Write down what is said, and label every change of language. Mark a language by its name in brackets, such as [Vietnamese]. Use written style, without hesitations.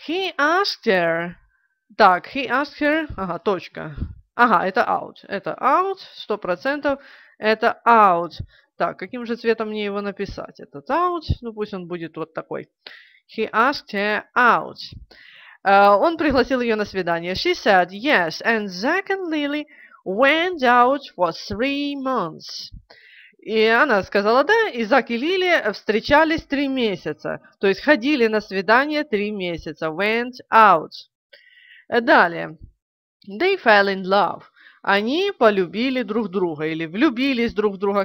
[English] He asked her. Так, he asked her. [Russian] Ага, точка. Ага, это [English] out. Это out. 100%. [Russian] Это out. Так, каким же цветом мне его написать? Этот out. Ну, пусть он будет вот такой. [English] He asked her out. [Russian] Он пригласил ее на свидание. [English] She said yes. And Zack and Lily went out for 3 months. [Russian] И она сказала «да», и Зак и Лили встречались 3 месяца. То есть ходили на свидание 3 месяца. [English] Went out. Далее. They fell in love. [Russian] Они полюбили друг друга или влюбились друг в друга.